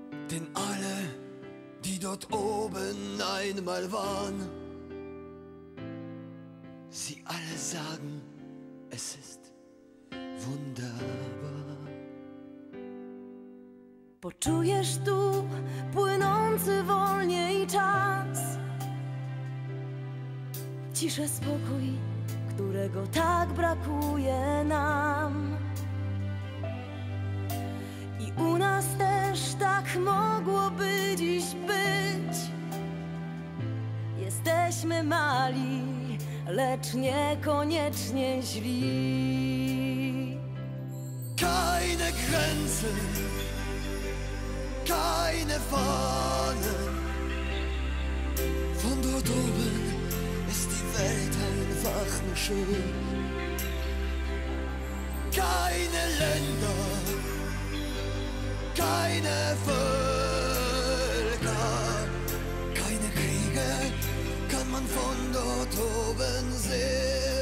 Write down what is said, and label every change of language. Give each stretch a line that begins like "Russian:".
German: Denn alle, die dort oben einmal waren, sie alle sagen, es ist wunderbar.
Polish: Poczujesz tu płynący wolniej czas, ciszę, spokój, którego tak brakuje nam. I u nas też tak mogłoby dziś być. Jesteśmy mali, lecz niekoniecznie źli.
German: Keine Grenzen, keine Fahnen. Von dort oben ist die Welt einfach nur schön. Keine Länder, keine Völker, keine Kriege kann man von dort oben sehen.